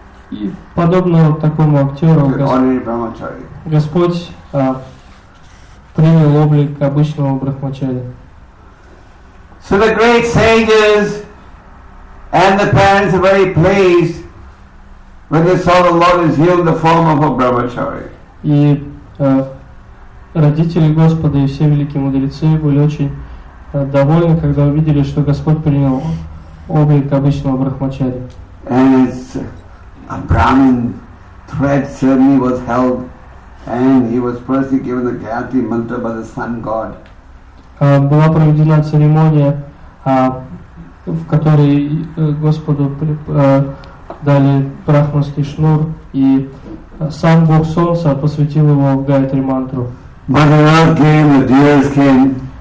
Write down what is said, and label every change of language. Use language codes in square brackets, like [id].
[ru] И подобно такому актеру, Господь принял облик обычного брахмачари. [en] So the great sages and the parents are very pleased when they saw the Lord is healed the form of a brahmachari. [ru] И родители Господа и все великие мудрецы были очень довольны, когда увидели, что Господь принял облик обычного брахмачари. [en] And a Brahmin thread ceremony was held, and he was firstly given the Gayatri mantra by the sun god. [ru] Была проведена церемония, в которой Господу дали брахманский шнур, и сам Бог Солнца посвятил его в Гайатри мантру. [en] Mother Earth came, the deers came.